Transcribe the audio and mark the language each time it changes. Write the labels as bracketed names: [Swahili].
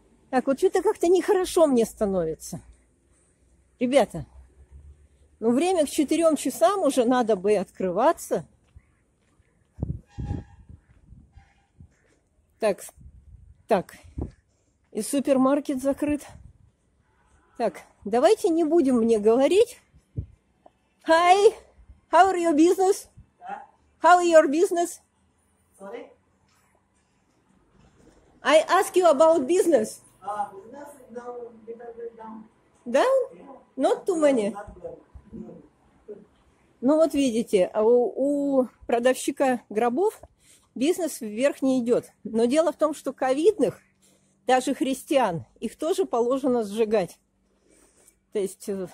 [Russian] Так, вот что-то как-то нехорошо мне становится. Ребята, ну время к 4 часам уже надо бы открываться. Так, так, и супермаркет закрыт. Так, давайте не будем мне говорить. [English] Hi, how are your business? How are your business? Sorry? I ask you about business. Business is down, little bit down. Down? Not too many. [Russian] Ну вот видите, у продавщика гробов бизнес вверх не идет. Но дело в том, что ковидных, даже христиан, их тоже положено сжигать. То есть